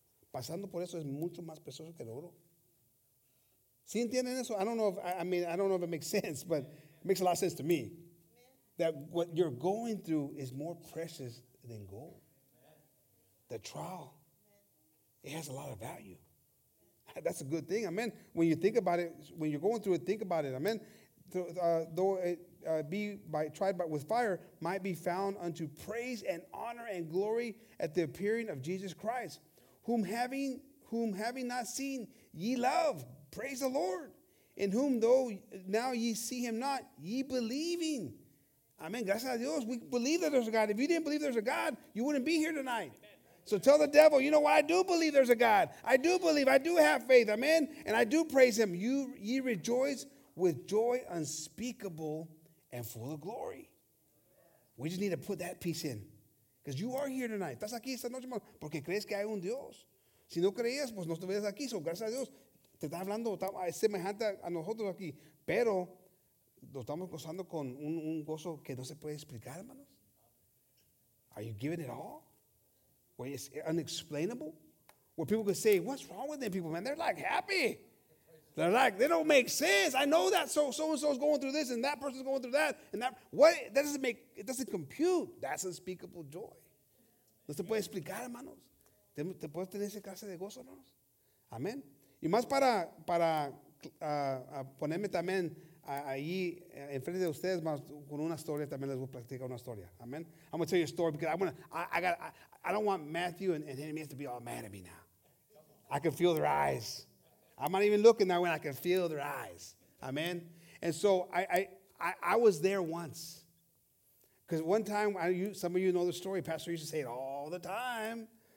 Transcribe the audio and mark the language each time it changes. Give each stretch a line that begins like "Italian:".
Spanish: Pasando por eso es mucho más precioso que el oro. ¿Sí entienden eso?
English: I don't know if it makes sense, but it makes a lot of sense to me. That what you're going through is more precious than gold. The trial, it has a lot of value. That's a good thing, amen. When you think about it, when you're going through it, think about it, amen. Though it be tried with fire, might be found unto praise and honor and glory at the appearing of Jesus Christ, whom having not seen, ye love. Praise the Lord, in whom though now ye see him not, ye believing. Amen.
Spanish: Gracias a Dios.
English: We believe that there's a God. If you didn't believe there's a God, you wouldn't be here tonight. Amen. So tell the devil, you know what? I do believe there's a God. I do believe. I do have faith. Amen. And I do praise him. Ye rejoice with joy unspeakable and full of glory. We just need to put that piece in. Because you are here tonight.
Spanish: Estás aquí esta noche, porque crees que hay un Dios. Si no creías, pues no estuvieras aquí. So gracias a Dios. Te está hablando, es semejante a nosotros aquí, pero lo estamos gozando con un gozo que no se puede explicar, hermanos.
English: Are you giving it all? Where it's unexplainable? Where people could say, what's wrong with them people, man? They're like happy. They're like, they don't make sense. I know that so-and-so is going through this and that person's going through that. And that, what, that doesn't make, it doesn't compute. That's unspeakable joy.
Spanish: No se puede explicar, hermanos. Te puedes tener ese clase de gozo, hermanos. Amén. Y más para ponerme también ahí enfrente de ustedes más con una historia, también les voy a platicar una historia.
English: Amen. I'm going to tell you a story because I don't want Matthew and Hennemias to be all mad at me now. I can feel their eyes. I'm not even looking that way. I can feel their eyes. Amen. And so I was there once. Because one time, some of you know the story. Pastor used to say it all the time.